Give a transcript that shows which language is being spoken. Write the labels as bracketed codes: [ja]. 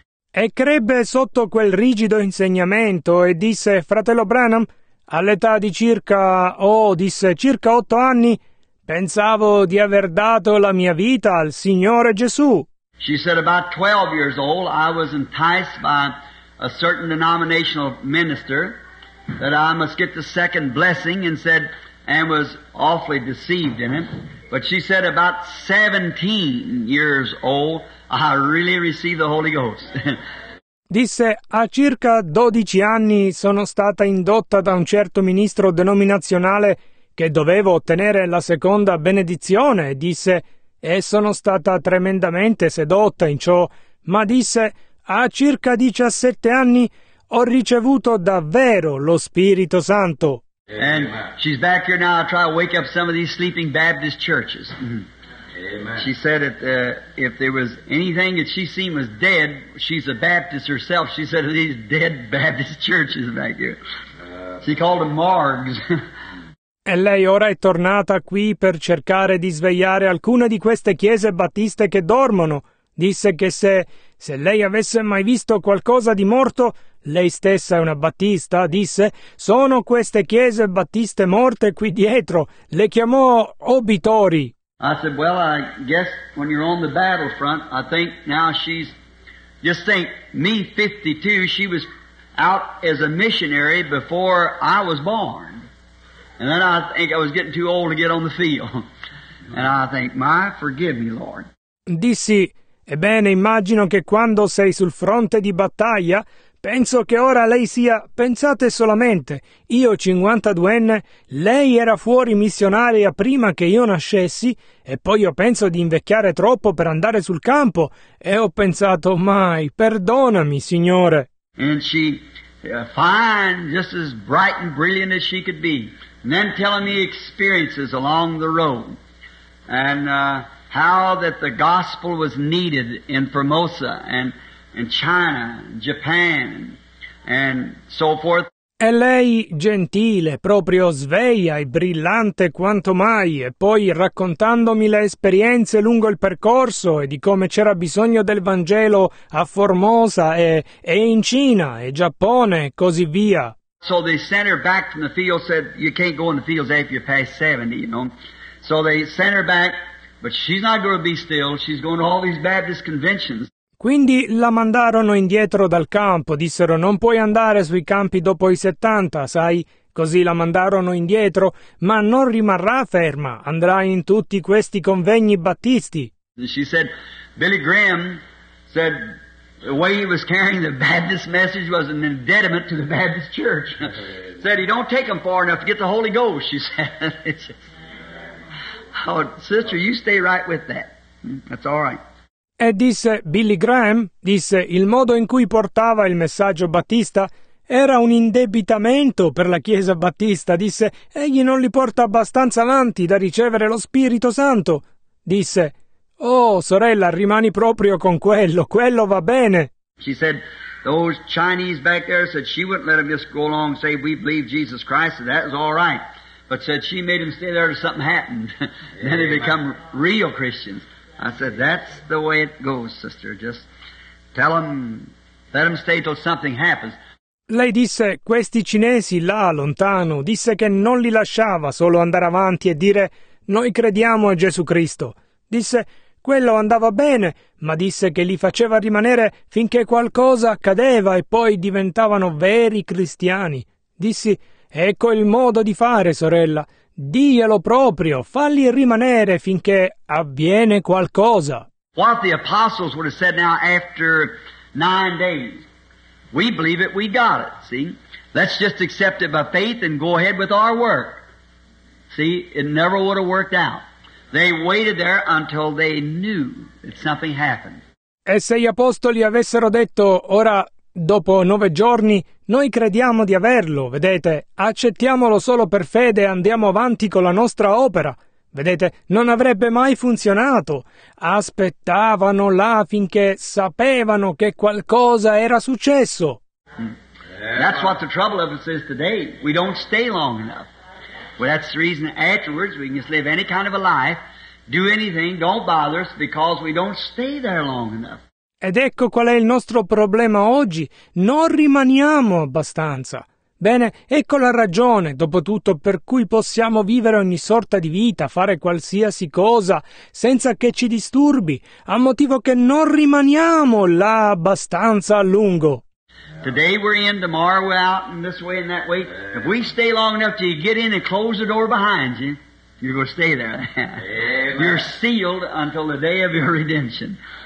[it] E crebbe sotto quel rigido insegnamento e disse, fratello Branham, all'età di circa 8 anni, pensavo di aver dato la mia vita al Signore Gesù. [en] She said about 12 years old, I was enticed by a certain denominational minister that I must get the second blessing and said, and was awfully deceived in it. But she said about 17 years old, I really received the Holy Ghost. [it] Disse, a circa 12 anni sono stata indotta da un certo ministro denominazionale che dovevo ottenere la seconda benedizione, disse, e sono stata tremendamente sedotta in ciò, ma disse, a circa 17 anni ho ricevuto davvero lo Spirito Santo. [en] And she's back here now, I try to wake up some of these sleeping Baptist churches. Mm-hmm. Amen. She said that if there was anything that she seen was dead, she's a Baptist herself. She said these dead Baptist churches back here. She called them morgues. [it] E lei ora è tornata qui per cercare di svegliare alcune di queste chiese battiste che dormono. Disse che se lei avesse mai visto qualcosa di morto, lei stessa è una battista, disse, sono queste chiese battiste morte qui dietro. Le chiamò obitori. [en] I said, well, I guess when you're on the battlefront, I think now she's, just think, me 52, she was out as a missionary before I was born. And then I think I was getting too old to get on the field. And I think, my, forgive me, Lord. [it] Dissi, ebbene, immagino che quando sei sul fronte di battaglia, penso che ora lei sia, pensate solamente, io 52enne, lei era fuori missionaria prima che io nascessi, e poi io penso di invecchiare troppo per andare sul campo, e ho pensato, mai, perdonami, Signore. [en] And she, fine, just as bright and brilliant as she could be, and then telling me experiences along the road, and how that the gospel was needed in Formosa, and China, Japan, and so forth. [it] E lei, gentile, proprio sveglia e brillante quanto mai, e poi raccontandomi le esperienze lungo il percorso e di come c'era bisogno del Vangelo a Formosa e in Cina e Giappone, così via. [en] So they sent her back from the field, said, you can't go in the fields after you're past 70, you know. So they sent her back, but she's not going to be still, she's going to all these Baptist conventions. [it] Quindi la mandarono indietro dal campo, dissero non puoi andare sui campi dopo i 70, sai, così la mandarono indietro, ma non rimarrà ferma, andrà in tutti questi convegni battisti. [en] She said, Billy Graham said the way he was carrying the Baptist message was an indebtment to the Baptist church. Said he don't take them far enough to get the Holy Ghost, she said. Oh, sister, you stay right with that. That's all right. [it] E disse Billy Graham, disse, il modo in cui portava il messaggio battista era un indebitamento per la Chiesa battista, disse, egli non li porta abbastanza avanti da ricevere lo Spirito Santo. Disse, oh, sorella, rimani proprio con quello, quello va bene. [en] She said, those Chinese back there said she wouldn't let them just go along and say we believe Jesus Christ, and that was all right. But said she made them stay there till something happened. Then they become real Christians. I said, that's the way it goes, sister. Just tell them, let them stay till something happens. [it] Lei disse, questi cinesi là, lontano, disse che non li lasciava solo andare avanti e dire, noi crediamo a Gesù Cristo. Disse, quello andava bene, ma disse che li faceva rimanere finché qualcosa accadeva e poi diventavano veri cristiani. Dissi, ecco il modo di fare, sorella. Diglielo proprio, falli rimanere finché avviene qualcosa. [en] What the apostles would have said now after 9 days. We believe it, we got it, see? Let's just accept it by faith and go ahead with our work. See, it never would have worked out. They waited there until they knew that something happened. [it] E se gli apostoli avessero detto, ora, dopo 9 giorni, Noi crediamo di averlo, vedete, accettiamolo solo per fede e andiamo avanti con la nostra opera. Vedete, non avrebbe mai funzionato. Aspettavano là finché sapevano che qualcosa era successo. [en] That's what the trouble of us is today. We don't stay long enough. Well, that's the reason afterwards we can just live any kind of a life, do anything, don't bother us because we don't stay there long enough. [it] Ed ecco qual è il nostro problema oggi. Non rimaniamo abbastanza. Bene, ecco la ragione, dopo tutto, per cui possiamo vivere ogni sorta di vita, fare qualsiasi cosa, senza che ci disturbi, a motivo che non rimaniamo là abbastanza a lungo. [en] Today we're in, tomorrow we're out, in this way and that way. If we stay long enough till you get in and close the door behind you, you're going to stay there. You're sealed until the day of your redemption.